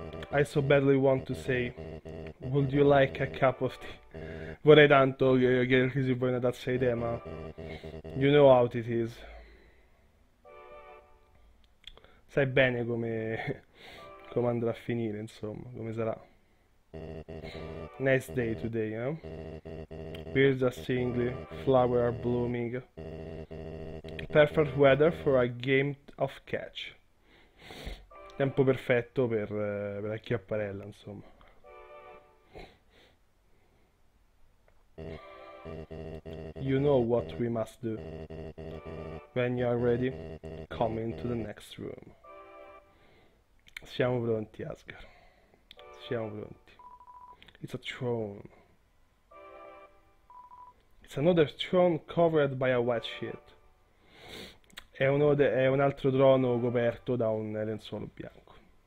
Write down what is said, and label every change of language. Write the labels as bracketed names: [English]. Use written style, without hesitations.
[English] I so badly want to say, would you like a cup of tea? [Italian] Vorrei tanto che si vuoi una tazza di tè, ma... [English] You know how it is. [Italian] Sai bene come andrà a finire, insomma, come sarà. [English] Nice day today, eh? Birds are singing, flowers are blooming. Perfect weather for a game of catch. [Italian] Tempo perfetto per l'acchiapparella, insomma. [English] You know what we must do. When you are ready, come into the next room. [Italian] Siamo pronti, Asgard. Siamo pronti. [English] It's a throne. It's another throne covered by a white sheet. [Italian] È un altro trono coperto da un lenzuolo bianco.